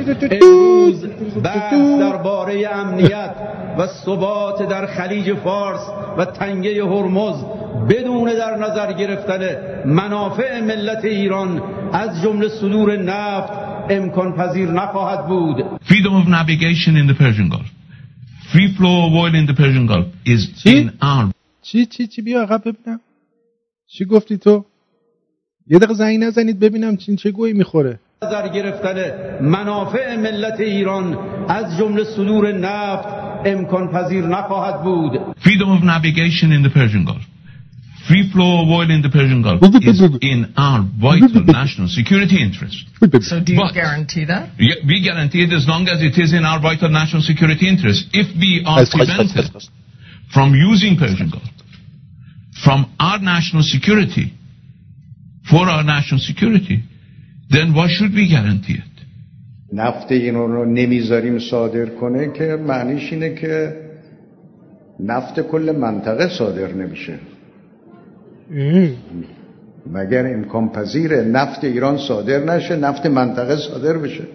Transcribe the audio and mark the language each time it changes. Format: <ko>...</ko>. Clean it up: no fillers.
<fa>امروز بحث در باره امنیت و ثبات در خلیج فارس و تنگه هرمز بدون در نظر گرفتن منافع ملت ایران از جمله صدور نفت امکان پذیر نخواهد بود.</fa> <en>Freedom of navigation in the Persian Gulf, free flow of oil in the Persian Gulf is in our...</en> <fa>چی بیا عقب ببینم چی گفتی تو؟ یه دقیقه زنگ نزنید ببینم چین چه گویی میخوره. نظر گرفتن منافع ملت ایران از جمله صدور نفت امکان پذیر نخواهد بود.</fa> <en>Freedom of navigation in the Persian Gulf, free flow of oil in the Persian Gulf is in our vital national security interest. So do you guarantee that? Yeah, we guarantee it as long as it is in our vital national security interest. If we are prevented from using Persian Gulf from our national security, for our national security, then why should we guarantee it?</en> <fa>نفت اینو رو نمیذاریم صادر کنه که معنیش اینه که نفت کل منطقه صادر نمیشه. مگر امکان پذیره نفت ایران صادر نشه، نفت منطقه صادر بشه؟</fa>